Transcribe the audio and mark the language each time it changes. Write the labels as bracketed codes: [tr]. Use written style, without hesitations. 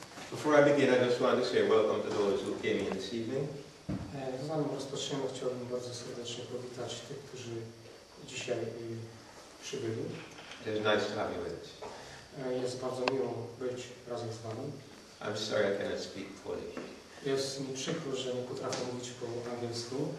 [en] Before I begin, I just wanted to say welcome to those who came in this evening. [pl] Zanim rozpoczniemy, chciałbym bardzo serdecznie powitać tych, którzy dzisiaj przybyli. [en] It is nice to have you with us. [pl] Jest bardzo miło być razem z wami. [en] I'm sorry I cannot speak Polish. [pl] Jest mi przykro, że nie potrafię mówić po angielsku.